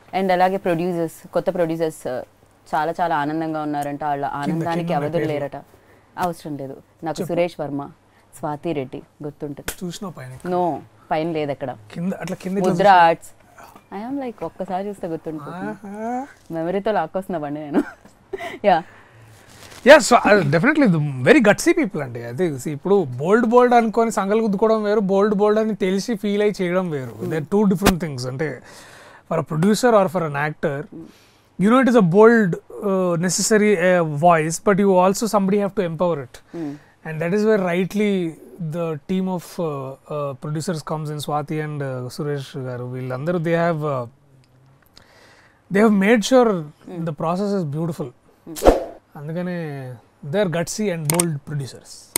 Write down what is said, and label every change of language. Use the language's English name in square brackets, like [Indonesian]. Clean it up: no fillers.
[Telugu] And అలాగే producers, కొత్త producers చాలా చాలా ఆనందంగా ఉన్నారంట, వాళ్ళ ఆనందానికి అవధులు లేరట. అవసరం లేదు నాకు సురేష్ వర్మ, స్వాతి రెడ్డి గుర్తుంటుంది. చూసినా పైన? నో, పైన లేదు, అక్కడ కింద అట్లా కింద ముద్ర ఆర్ట్స్. [English] I'm like [Telugu] ఒక్కసారి చూస్తే గుర్తుంటు, మెమరీతో లాక్ వస్తున్నామండి నేను. Yeah [English] yes definitely very gutsy people [Telugu] అండి అది. ఇప్పుడు బోల్డ్ బోల్డ్ అనుకొని సంగలు గుద్దుకోవడం వేరు, బోల్డ్ బోల్డ్ అని తెలిసి ఫీల్ అయ్యి చేయడం వేరు, [English] They're two different things. [Telugu] అంటే [English] For a producer or for an actor you know it is a bold necessary voice but you also somebody have to empower it. And that is where rightly the team of producers comes in Swathi and Suresh garu [Telugu] వీళ్ళందరూ [English] they have made sure the process is beautiful [Telugu] అందుకనే [English] they are gutsy and bold producers